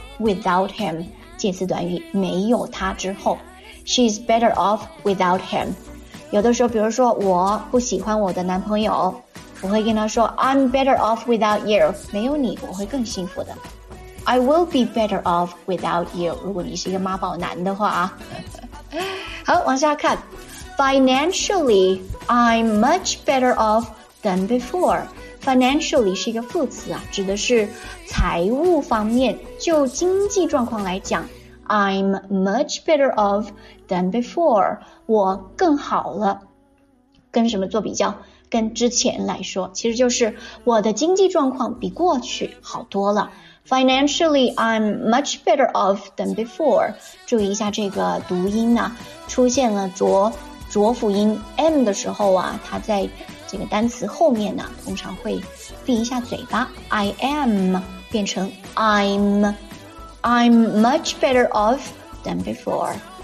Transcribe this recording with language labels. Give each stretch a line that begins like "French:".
Chinese: without him 介词短语没有他之后
English: She's better off without him
Chinese: 有的时候比如说我不喜欢我的男朋友我会跟他说
English: I'm better off without you
Chinese: 没有你我会更幸福的
English: I will be better off without you
Chinese: 如果你是一个妈宝男的话好往下看
English: Financially I'm much better off than beforeFinancially
Chinese: 是一个副词啊，指的是财务方面。就经济状况来讲 ，
English: I'm much better off than before。
Chinese: 我更好了，跟什么做比较？跟之前来说，其实就是我的经济状况比过去好多了。
English: Financially, I'm much better off than before。
Chinese: 注意一下这个读音呢、啊，出现了浊辅音 m 的时候啊，它在。这个单词后面呢通常会闭一下嘴巴 I am 变成
English: I'm much better off than before